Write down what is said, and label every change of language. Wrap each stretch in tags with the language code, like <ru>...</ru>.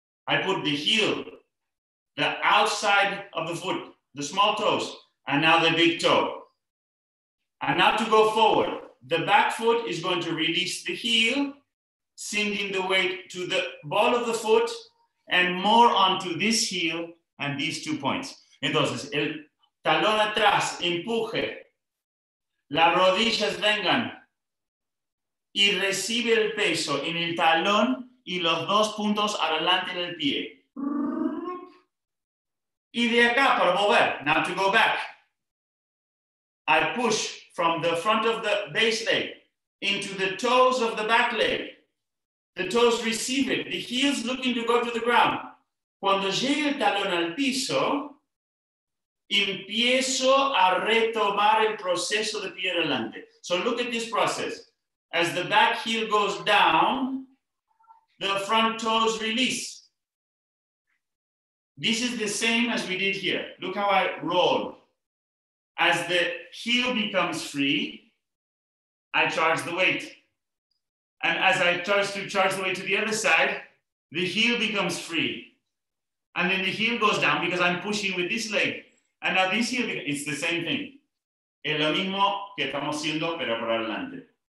<en>I put the heel, the outside of the foot, the small toes, and now the big toe. And now to go forward, the back foot is going to release the heel, sending the weight to the ball of the foot and more onto this heel and these two points.</en> <es>Entonces, el talón atrás empuje, las rodillas vengan y recibe el peso en el talón y los dos puntos adelante en el pie. Y de acá para mover,</es> <en>now to go back. I push from the front of the base leg into the toes of the back leg. The toes receive it. The heels looking to go to the ground. Cuando llegue el talón al piso, empiezo a retomar el proceso de pie adelante. So look at this process. As the back heel goes down, the front toes release. This is the same as we did here. Look how I roll. As the heel becomes free, I charge the weight. And as I charge through, charge the weight to the other side, the heel becomes free. And then the heel goes down because I'm pushing with this leg. And now this heel, it's the same thing.</en> <es>Es lo mismo que estamos haciendo, pero por adelante.</es>